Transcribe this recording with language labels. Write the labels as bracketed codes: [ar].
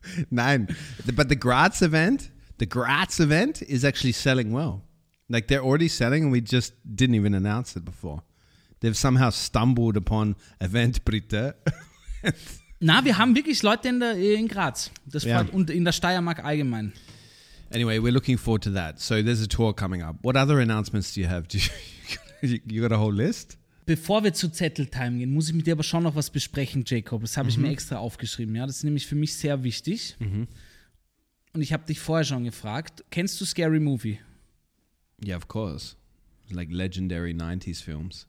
[en] Nein, but the Graz event is actually selling well. Like they're already selling and we just didn't even announce it before. They've somehow stumbled upon Event Brite. [de] Na, wir haben wirklich Leute in Graz. Das yeah. Und in der Steiermark allgemein. [en] Anyway, we're looking forward to that. So there's a tour coming up. What other announcements do you have? You got a whole list? [de] Bevor wir zu Zettel-Time gehen, muss ich mit dir aber schon noch was besprechen, Jacob. Das habe ich mir extra aufgeschrieben. Ja, das ist nämlich für mich sehr wichtig. Mhm. Und ich habe dich vorher schon gefragt, kennst du Scary Movie? [en] Yeah, of course. Like legendary 90s films.